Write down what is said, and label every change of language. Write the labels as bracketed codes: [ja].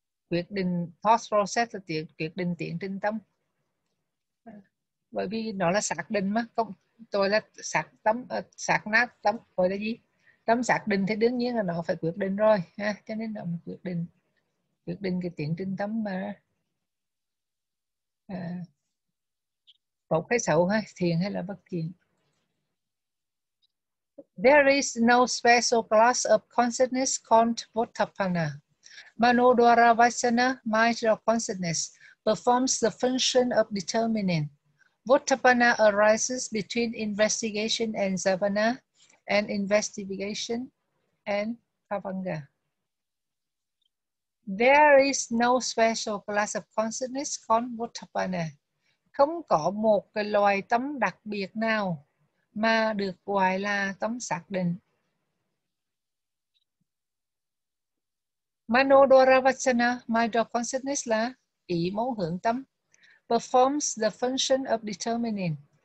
[vi] Quyết định thought process là quyết định tiến trình tâm. Bởi vì nó là xác định mà, không tôi là xác tâm, xác nát tâm gọi là gì? Tâm xác định thì đương nhiên là nó phải quyết định rồi ha, cho nên nó quyết định cái tiến trình tâm mà. Tốt hay xấu hay thiện hay là bất thiện. [en] There is no special class of consciousness called Vottapanna. Manodwara Vasana, mind or consciousness, performs the function of determining. Vottapanna arises between investigation and Savana, and investigation and Kavanga. There is no special class of consciousness called Vottapanna. [vi] Không có một cái loài tâm đặc biệt nào mà được gọi là tâm xác định. [en] Manodwara Vasana, mind or consciousness [vi] là ý muốn hướng tâm, [en] performs the function of determining.